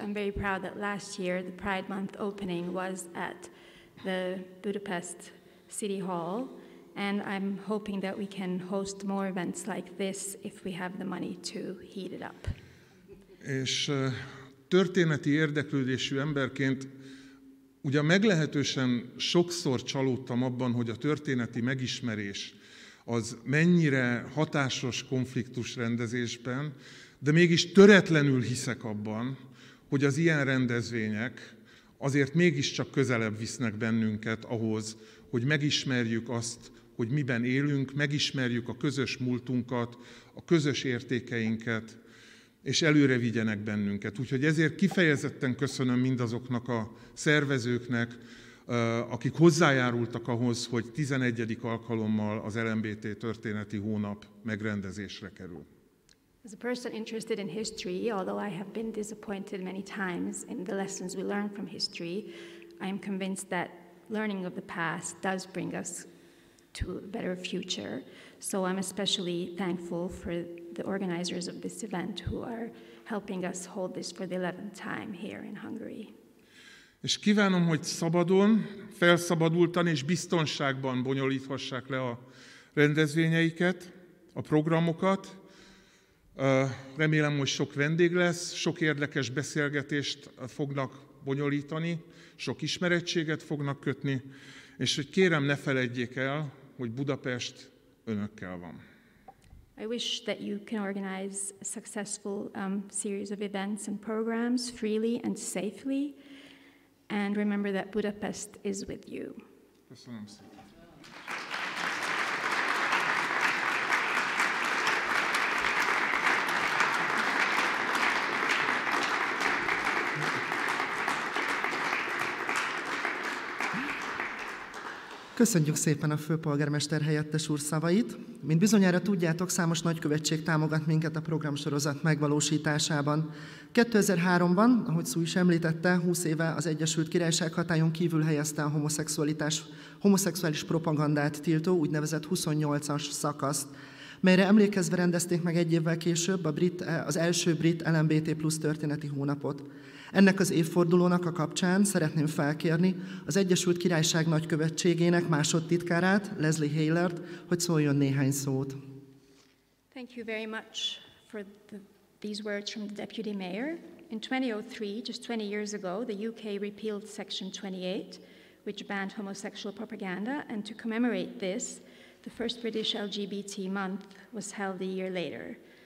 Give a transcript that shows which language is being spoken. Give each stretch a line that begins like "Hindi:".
English: I'm very proud that last year the Pride Month opening was at the Budapest City Hall. And I'm hoping that we can host more events like this if we have the money to heat it up.
Hungarian: És történeti érdeklődésű emberként ugye meglehetősen sokszor csalódtam abban, hogy a történeti megismerés az mennyire hatásos konfliktus rendezésben, de mégis töretlenül hiszek abban, hogy az ilyen rendezvények azért mégiscsak közelebb visznek bennünket ahhoz, hogy megismerjük azt, hogy miben élünk, megismerjük a közös múltunkat, a közös értékeinket, és előre vigyenek bennünket. Úgyhogy ezért kifejezetten köszönöm mindazoknak a szervezőknek, akik hozzájárultak ahhoz, hogy 11. alkalommal az LMBT Történeti Hónap megrendezésre kerül.
English: As a person interested in history, although I have been disappointed many times in the lessons we learn from history, I am convinced that learning of the past does bring us to a better future. So I'm especially thankful for the organizers of this event who are helping us hold this for the 11th time here in Hungary.
Hungarian: És kívánom, hogy szabadon, felszabadultan és biztonságban bonyolíthassák le a rendezvényeiket, a programokat. Remélem, hogy sok vendég lesz, sok érdekes beszélgetést fognak bonyolítani, sok ismerettséget fognak kötni, és hogy kérem, ne feledjék el, hogy Budapest önökkel van.
English: I wish that you can organize a successful series of events and programs freely and safely, and remember that Budapest is with you.
Hungarian: Köszönöm szépen. Köszönjük szépen a főpolgármester helyettes úr szavait. Mint bizonyára tudjátok, számos nagykövetség támogat minket a programsorozat megvalósításában. 2003-ban, ahogy Szú is említette, 20 éve az Egyesült Királyság hatályon kívül helyezte a homoszexuális propagandát tiltó úgynevezett 28-as szakaszt, melyre emlékezve rendezték meg egy évvel később az első brit LMBT plusz történeti hónapot. Ennek az évfordulónak a kapcsán szeretném felkérni az Egyesült Királyság nagykövetségének másodtitkárát, Leslie HAYLER-t, hogy szóljon néhány szót.
English: Thank you very much for these words from the Deputy Mayor. In 2003, just 20 years ago, the UK repealed Section 28, which banned homosexual propaganda, and to commemorate this, the first British LGBT month was held a year later.